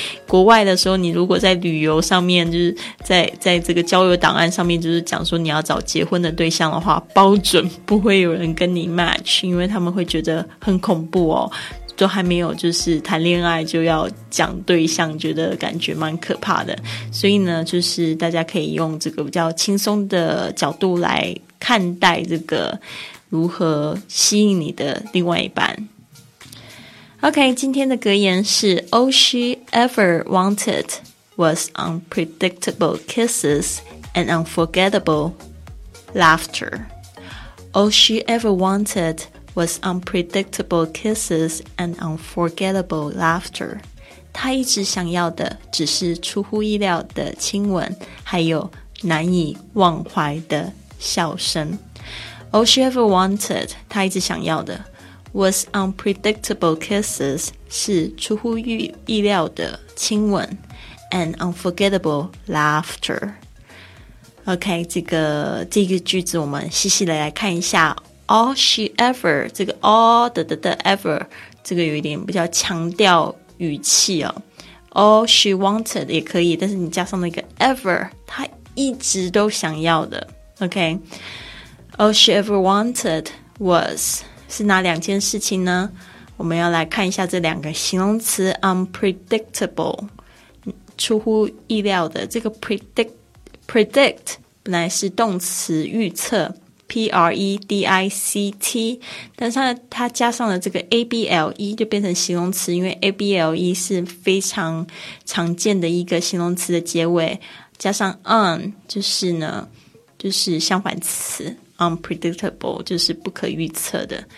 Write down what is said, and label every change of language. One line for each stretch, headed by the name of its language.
Chinese: 国外的时候，你如果在旅游上面就是在这个交友档案上面就是讲说你要找结婚的对象的话，包准不会有人跟你 match， 因为他们会觉得很恐怖哦，都还没有就是谈恋爱就要讲对象，觉得感觉蛮可怕的。所以呢就是大家可以用这个比较轻松的角度来看待这个如何吸引你的另外一半。
English: OK，
Chinese: 今天的格言是
English: All she ever wanted was unpredictable kisses and unforgettable laughter. All she ever wantedwas unpredictable kisses and unforgettable laughter.
Chinese: 他一直想要的只是出乎意料的亲吻，还有难以忘怀的笑声。
English: All she ever wanted,
Chinese: 他一直想要的
English: was unpredictable kisses,
Chinese: 是出乎意料的亲吻
English: and unforgettable laughter.
Chinese: OK, 这个句子我们细细的来看一下。
English: All she ever,
Chinese: 这个 all 的 ever, 这个有一点比较强调语气哦。
English: All she wanted
Chinese: 也可以，但是你加上那个 ever, 她一直都想要的。 OK,
English: all she ever wanted was,
Chinese: 是哪两件事情呢？我们要来看一下这两个形容词 unpredictable, 出乎意料的。这个 predict 本来是动词预测。 P-R-E-D-I-C-T, 但是它加上了这个 A-B-L-E 就变成形容词，因为 A-B-L-E 是非常常见的一个形容词的结尾，加上 un 就是呢就是相反词 unpredictable 就是不可预测的。